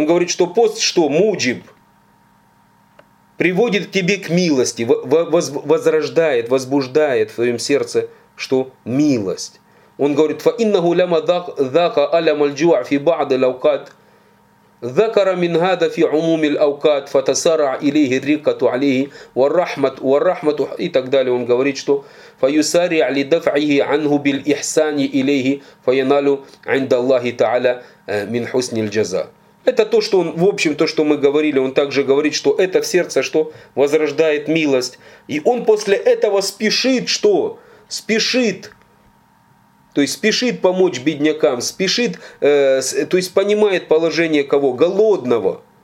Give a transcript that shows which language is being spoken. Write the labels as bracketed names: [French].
[Russian] Он говорит, что пост, что муджиб, приводит тебе к милости, возрождает, возбуждает в твоем сердце, что милость. Он говорит, [Arabic] фа иннаху ляма дака алям аль-джуа фи ба'ды лаукат, ذكر من هذا في عموم الأوقات فتسارع إليه الرقة عليه والرحمة والرحمة и так далее. [Russian] Он говорит, что [Arabic] فيسارع لدفعه عنه بالإحسان إليه فينال عند الله تعالى من حسن الجزاء. [Russian] Это то, что он, в общем, то, что мы говорили, он также говорит, что это в сердце, что возрождает милость. И он после этого спешит, что? Спешит. То есть спешит помочь беднякам, спешит, то есть понимает положение кого? Голодного.